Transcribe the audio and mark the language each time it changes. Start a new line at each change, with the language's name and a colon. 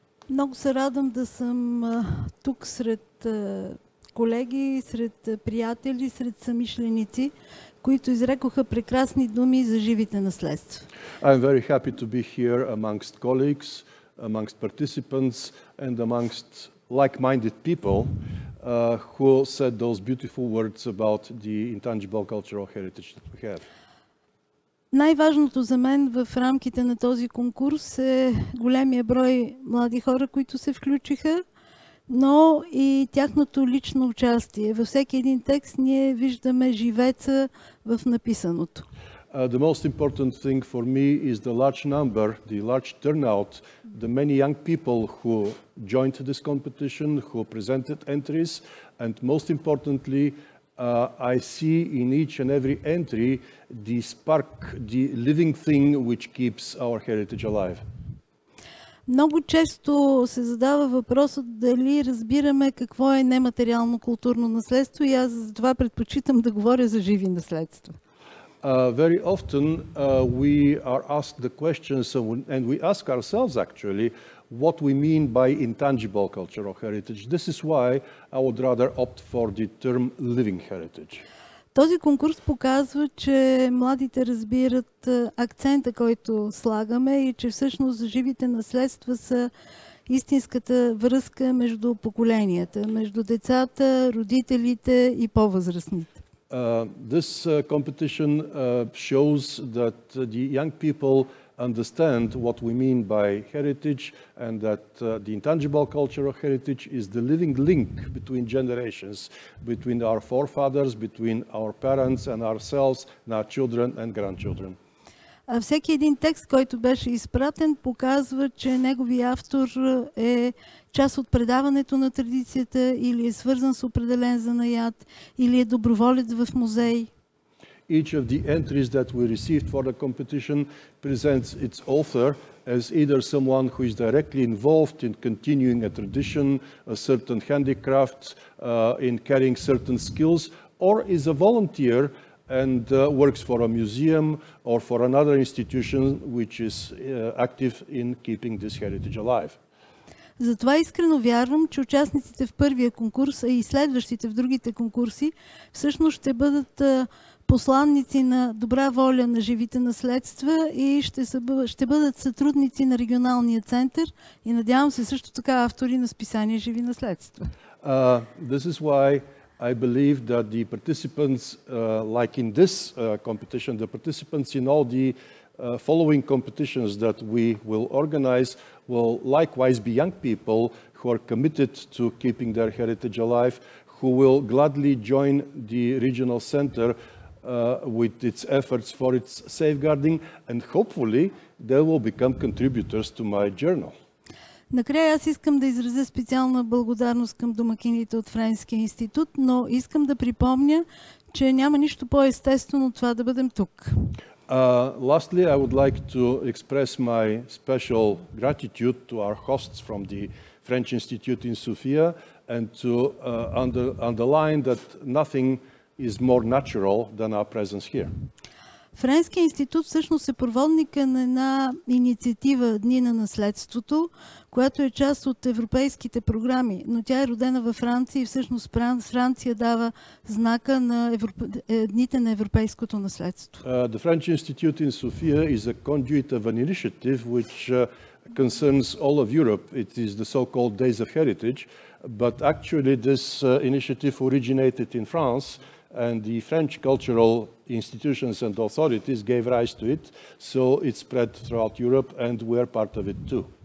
Bulgarian: Много се радвам да съм тук сред колеги, сред приятели, сред съмишленици, които изрекоха прекрасни думи за живите наследства.
English: I'm very happy to be here amongst colleagues, amongst participants and amongst like-minded people who said those beautiful words about the intangible cultural heritage that we have.
Bulgarian: Най-важното за мен в рамките на този конкурс е големия брой млади хора, които се включиха, но и тяхното лично участие. Във всеки един текст ние виждаме живеца в написаното.
English: The most important thing for me is the large number, the large turnout, the many young people who joined this competition, who presented entries, and most importantly, I see in each and every entry the spark, the living thing which keeps our heritage alive.
Bulgarian: Много често се задава въпросът дали разбираме какво е нематериално културно наследство и аз затова предпочитам да говоря за живи наследства.
English: Very often we are asked the questions and we ask ourselves actually what we mean by intangible cultural heritage. This is why I would rather opt for the term living heritage.
Bulgarian: Този конкурс показва, че младите разбират акцента, който слагаме и че всъщност живите наследства са истинската връзка между поколенията, между децата, родителите и по-възрастните.
English: This competition shows that the young people understand what we mean by heritage and that the intangible cultural heritage is the living link between generations, between our forefathers, between our parents and ourselves, and our children and grandchildren.
Bulgarian: А всеки един текст, който беше изпратен, показва, че неговият автор е част от предаването на традицията или е свързан с определен занаят, или е доброволец в музей.
English: Each of the entries that we received for the competition presents its author as either someone who is directly involved in continuing a tradition, a certain handicraft, in carrying certain skills, or is a volunteer and works for a museum or for another institution which is active in keeping this heritage alive.
Bulgarian: Затова искрено вярвам, че участниците в първия конкурс, а и следващите в другите конкурси, всъщност ще бъдат посланници на добра воля на живите наследства и ще бъдат сътрудници на регионалния център и надявам се също така автори на списание Живи наследства.
English: This is why I believe that the participants, like in this competition, the participants in all the following competitions that we will organize will likewise be young people who are committed to keeping their heritage alive, who will gladly join the regional center with its efforts for its safeguarding, and hopefully they will become contributors to my journal.
Bulgarian: Накрая аз искам да изразя специална благодарност към домакините от Френския институт, но искам да припомня, че няма нищо по-естествено от това да бъдем тук.
English: Lastly, I would like to express my special gratitude to our hosts from the French Institute in Sofia and to underline that nothing is more natural than our presence here.
Bulgarian: Френският институт всъщност е проводника на една инициатива Дни на наследството, която е част от европейските програми, но тя е родена във Франция и всъщност Франция дава знака на дните на европейското наследство.
English: The French Institute in Sofia is a conduit of an initiative which concerns all of Europe. It is the so-called Days of Heritage, but actually this initiative originated in France and the French cultural institutions and authorities gave rise to it, so it spread throughout Europe and we're part of it too.